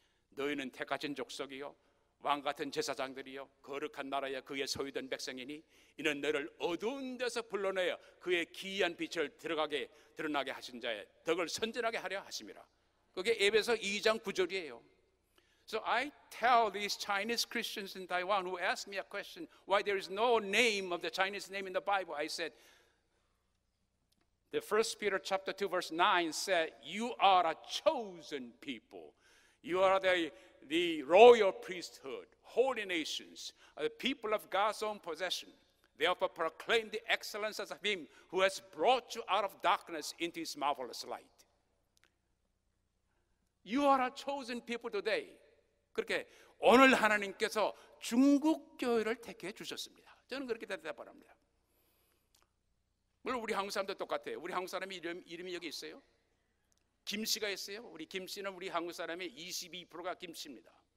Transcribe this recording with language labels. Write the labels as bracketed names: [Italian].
[Korean] 너희는 택하신 족속이요 왕 같은 제사장들이요 거룩한 나라에 그의 소유된 백성이니 이는 너를 어두운 데서 불러내어 그의 기이한 빛을 드러나게 하신 자의 덕을 선전하게 하려 하심이라. 그게 에베소 2장 9절이에요. [English] So I tell these Chinese Christians in Taiwan who ask me a question why there is no name of the Chinese name in the Bible. I said The First Peter chapter 2 verse 9 said, "You are a chosen people. You are the royal priesthood, holy nations, the people of God's own possession. Therefore, proclaim the excellences of Him who has brought you out of darkness into His marvelous light." You are a chosen people today. [Korean] 그렇게 오늘 하나님께서 중국 교회를 택해 주셨습니다. 저는 그렇게 대답을 합니다. 물론 우리 한국 사람도 똑같아요. 우리 한국 사람의 이름이 여기 있어요. 김 씨가 있어요. 우리 김 씨는 우리 한국 사람의 22%가 김 씨입니다.